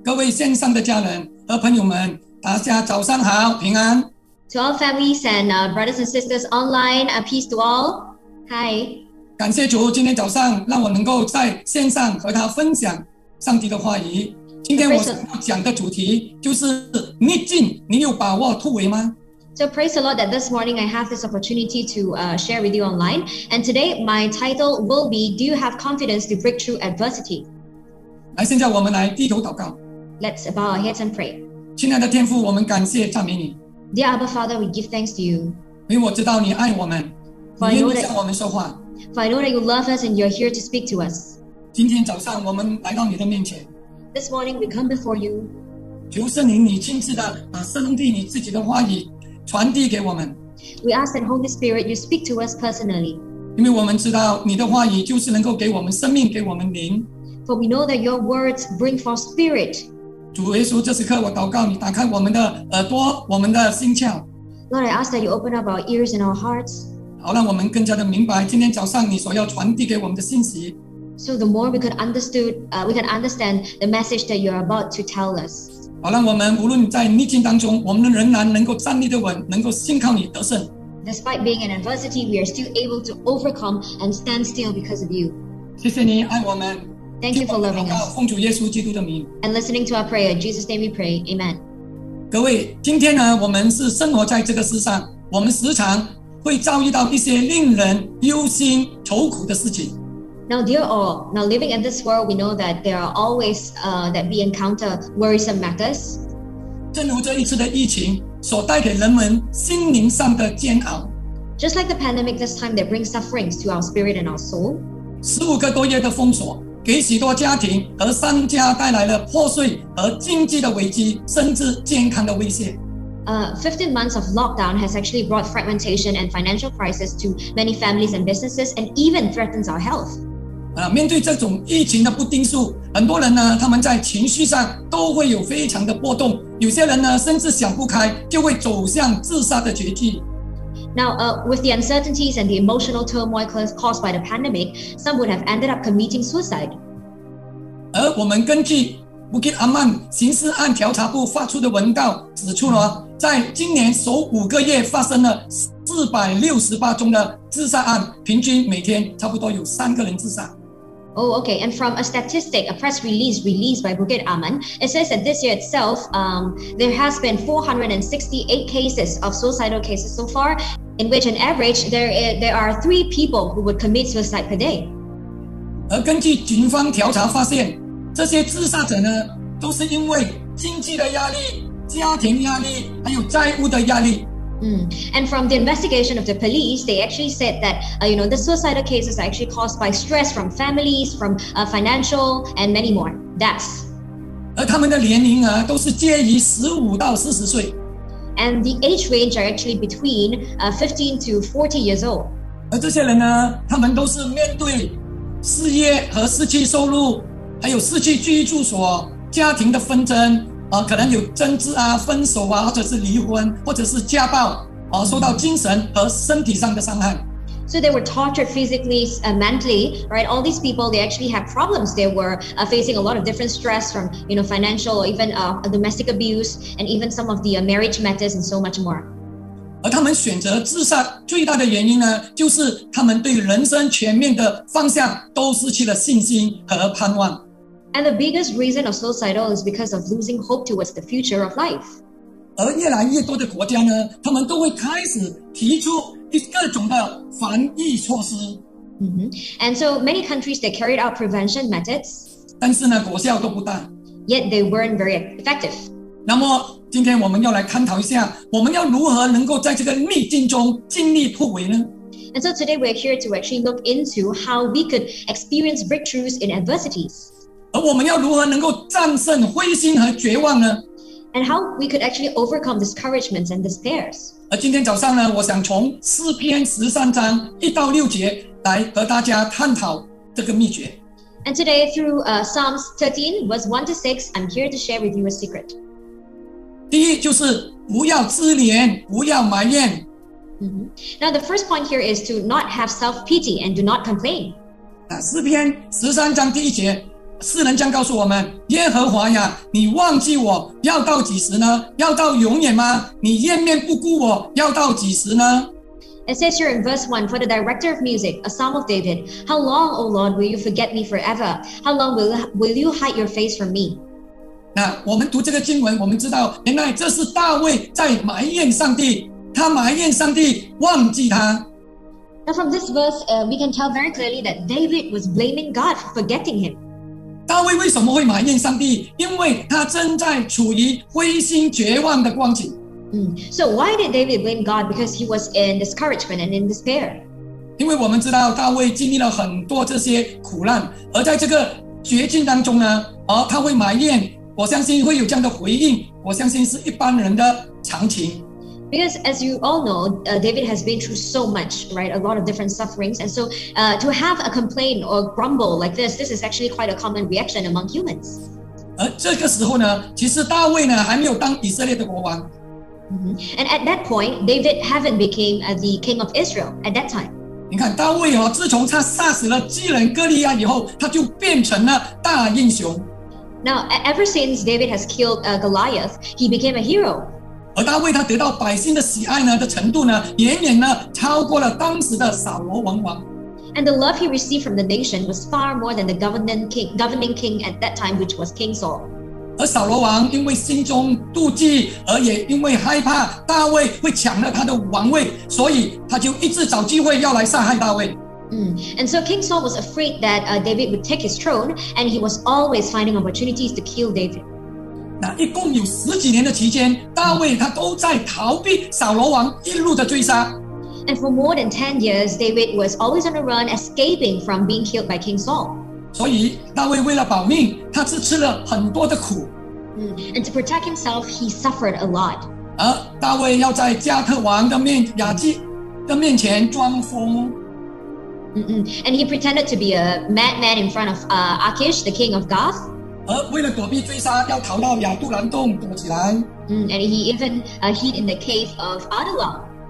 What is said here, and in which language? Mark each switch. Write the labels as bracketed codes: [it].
[zh] 线上的家人和朋友们，大家早上好，平安。 [en] To all families and brothers and sisters online, peace to all. Hi. [zh] 感谢主，今天早上让我能够在线上和他分享上帝的话语。今天我想要讲的主题就是逆境，你有把握突围吗？ [en] So praise the Lord that this morning I have this opportunity to share with you online. And today my title will be, Do you have confidence to break through adversity? [zh] 来，现在我们来低头祷告。 [en] Let's bow our heads and pray. [zh] 亲爱的天父，我们感谢赞美你。 [en] Dear Abba Father, we give thanks to you. [zh] 因为我知道你爱我们，你愿意向我们说话。 [en] For I know that you love us and you're here to speak to us. [zh] 今天早上我们来到你的面前。 [en] This morning we come before you. [zh] 求圣灵你亲自的把上帝你自己的话语传递给我们。 [en] We ask that Holy Spirit you speak to us personally. [zh] 因为我们知道你的话语就是能够给我们生命，给我们灵。 [en] For we know that your words bring forth spirit. [zh] 主耶稣，这时刻我祷告你打开我们的耳朵，我们的心窍。 [en] Lord, I ask that you open up our ears and our hearts. [zh] 好，让我们更加的明白今天早上你所要传递给我们的信息。 [en] So the more we could understood, we can understand the message that you are about to tell us. [zh] 好，让我们无论在逆境当中，我们仍然能够站立得稳，能够信靠你得胜。 [en] Despite being in adversity, we are still able to overcome and stand still because of you. [zh] 谢谢你爱我们。 [en] Thank you for loving us. [zh] 奉主耶稣基督的名。 [en] And listening to our prayer, in Jesus' name we pray, Amen. [zh] 各位，今天呢，我们是生活在这个世上，我们时常会遭遇到一些令人忧心愁苦的事情。 [en] Now, dear all, now living in this world, we know that there are always that we encounter worrisome matters. [zh] 正如这一次的疫情所带给人们心灵上的煎熬。 [en] Just like the pandemic this time that brings sufferings to our spirit and our soul. [zh] 十五个多月的封锁。给许多家庭和商家带来了破碎和经济的危机，甚至健康的威胁。 [en] 15 months of lockdown has actually brought fragmentation and financial crisis to many families and businesses, and even threatens our health. [zh] 面对这种疫情的不定数，很多人呢，他们在情绪上都会有非常的波动。有些人呢，甚至想不开，就会走向自杀的绝境。 [en] Now, with the uncertainties and the emotional turmoil caused by the pandemic, some would have ended up committing suicide. [zh] 而我们根据布吉阿曼刑事案调查部发出的文告指出了，在今年首五个月发生了468宗的自杀案，平均每天差不多有三个人自杀。 [en] Oh, okay. And from a statistic, a press release released by Bukit Aman, it says that this year itself, there has been 468 cases of suicidal cases so far, in which on average, there are three people who would commit suicide per day. [zh] 而根据警方调查发现，这些自杀者呢，都是因为经济的压力、家庭压力，还有债务的压力。 [en] And from the investigation of the police, they actually said that, you know, the suicidal cases are actually caused by stress from families, from financial and many more deaths. [zh] 而他们的年龄啊，都是介于15到40岁。 [en] And the age range are actually between 15 to 40 years old. [zh] 而这些人呢，他们都是面对失业和失去收入，还有失去居住所，家庭的纷争。可能有争执啊，分手啊，或者是离婚，或者是家暴，受到精神和身体上的伤害。 [en] So they were tortured physically, mentally, right? All these people, they actually have problems. They were facing a lot of different stress from, you know, financial or even domestic abuse, and even some of the marriage matters and so much more. [zh] 而他们选择自杀最大的原因呢，就是他们对人生全面的方向都失去了信心和盼望。 [en] And the biggest reason of suicidal is because of losing hope towards the future of life. [zh] 而越来越多的国家呢，他们都会开始提出各种的防疫措施。 Mm-hmm. [en] And so many countries that carried out prevention methods, [zh] 但是呢，果效都不大。 [en] Yet they weren't very effective. [zh] 那么今天我们要来探讨一下，我们要如何能够在这个逆境中尽力突围呢？ [en] And so today we're here to actually look into how we could experience breakthroughs in adversities. [zh] 而我们要如何能够战胜灰心和绝望呢？ [en] And how we could actually overcome discouragements and despairs. [zh] 而今天早上呢，我想从诗篇十三章一到六节来和大家探讨这个秘诀。 [en] And today through Psalms 13 verse 1 to 6, I'm here to share with you a secret. [zh] 第一就是不要自怜，不要埋怨。 Mm-hmm. [en] Now the first point here is to not have self-pity and do not complain. [zh] 诗篇十三章第一节，诗人将告诉我们：耶和华呀，你忘记我要到几时呢？要到永远吗？你掩面不顾我要到几时呢？ [en] It says here in verse 1, for the director of music, a psalm of David, How long, O Lord, will you forget me forever? How long will you hide your face from me? [zh] 那我们读这个经文，我们知道原来这是大卫在埋怨上帝。他埋怨上帝忘记他。 [en] Now from this verse, we can tell very clearly that David was blaming God for forgetting him. [zh] 大卫为什么会埋怨上帝？因为他正在处于灰心绝望的光景。 [en] So why did David blame God? Because he was in discouragement and in despair. [zh] 因为我们知道大卫经历了很多这些苦难，而在这个绝境当中呢，他会埋怨，我相信会有这样的回应，我相信是一般人的常情。 [en] Because as you all know, David has been through so much, right? A lot of different sufferings. And so to have a complaint or grumble like this, this is actually quite a common reaction among humans. [zh] 而这个时候呢，其实大卫呢，还没有当以色列的国王。 Mm-hmm. [en] And at that point, David haven't became the king of Israel at that time. [zh] 你看大卫哦，自从他杀死了基人哥利亚以后，他就变成了大英雄。 [en] Now, ever since David has killed Goliath, he became a hero. [zh] 而大卫他得到百姓的喜爱呢的程度呢，远远呢超过了当时的扫罗王王。 [en] And the love he received from the nation was far more than the governing king at that time, which was King Saul. [zh] 而扫罗王因为心中妒忌，而也因为害怕大卫会抢了他的王位，所以他就一直找机会要来杀害大卫。 [en] And so King Saul was afraid that David would take his throne, and he was always finding opportunities to kill David. [zh] 那一共有十几年的期间，大卫他都在逃避扫罗王一路的追杀。 [en] And for more than 10 years, David was always on the run, escaping from being killed by King Saul. [zh] 所以大卫为了保命，他是吃了很多的苦。 [en] And to protect himself, he suffered a lot. [zh] 而大卫要在加特王的面亚基的面前装疯。 [en] And he pretended to be a madman in front of Achish, the king of Gath. [zh] 而为了躲避追杀，要逃到亚杜兰洞躲起来。 [en] And he even hid in the cave of Adullam.